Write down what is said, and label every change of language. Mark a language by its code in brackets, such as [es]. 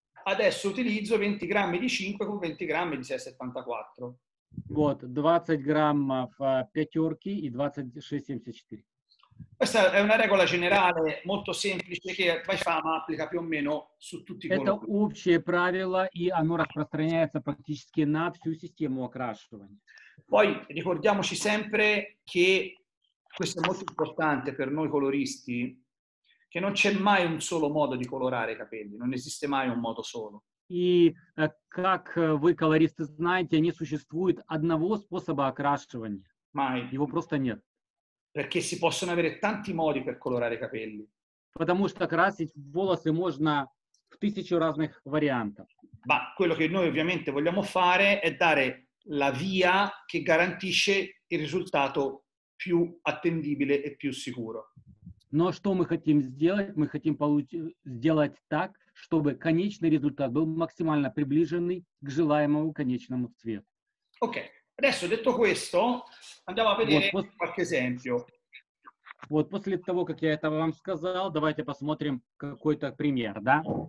[it] Adesso utilizzo 20 grammi di 5 con 20 grammi di 6,74. [ru] Вот, 20 граммов пятерки и 26,74. [it] Questa è una regola generale molto semplice che by Fama applica più o meno su tutti i colori. [ru] Это общее правило, и оно распространяется практически на всю систему окрашивания. [it] Poi ricordiamoci sempre che questo è molto importante per noi coloristi, che non c'è mai un solo modo di colorare i capelli, non esiste mai un modo solo. [ru] И как вы, колористы, знаете, не существует одного способа окрашивания. [it] Mai. [ru] Его просто нет. [it] Perché si possono avere tanti modi per colorare i capelli. [ru] Потому что красить волосы можно в тысячу разных вариантов. [it] Ma quello che noi ovviamente vogliamo fare è dare la via che garantisce il risultato più attendibile e più sicuro. [ru] Но что мы хотим сделать? Мы хотим сделать так, чтобы конечный результат был максимально приближенный к желаемому конечному цвету. Окей. Okay. [it] Adesso detto questo, andiamo a vedere qualche esempio. [ru] Вот после того, как я это вам сказал, давайте посмотрим какой-то пример, да?